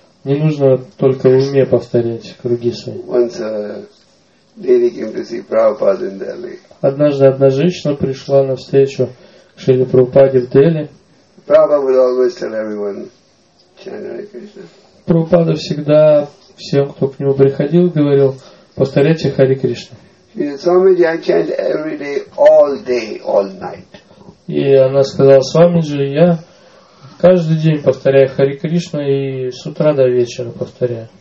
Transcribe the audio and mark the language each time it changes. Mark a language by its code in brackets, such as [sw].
[ru] Не нужно только в уме повторять круги свои. [en] Once a lady came to see Prabhupada in Delhi. [ru] Однажды одна женщина пришла на встречу к Шриле Прабхупаде в Дели. [en] Prabhupada would always tell everyone, chant Hare Krishna. [ru] Прабхупада всегда всем, кто к нему приходил, говорил, повторяйте Хари Кришна. [en] She said, Swamiji, I chant every day, all night. [ru] И она сказала, Свамиджи, я каждый день повторяю Хари Кришна и с утра до вечера повторяю.